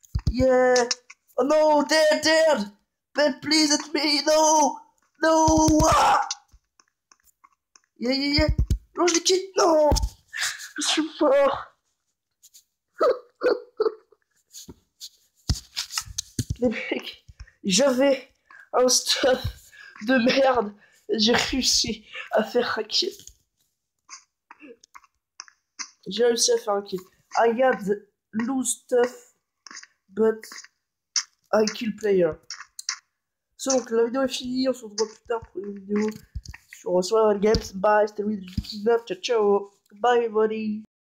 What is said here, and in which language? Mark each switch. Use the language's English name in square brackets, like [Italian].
[English] Yeah! Oh no, dead, dead! Ben, please, it's me! No! No! Ah! Yeah! [French] Non, je l'ai quitté! Non! Je suis mort! Les mecs, j'avais un stuff de merde et j'ai réussi à faire un kill. J'ai réussi à faire un kill. [English] I got lose stuff, but I kill player. [French] Donc la vidéo est finie, on se retrouve plus tard pour une vidéo sur Survival Games. Bye, c'était Louis19, ciao ciao, [English] bye everybody.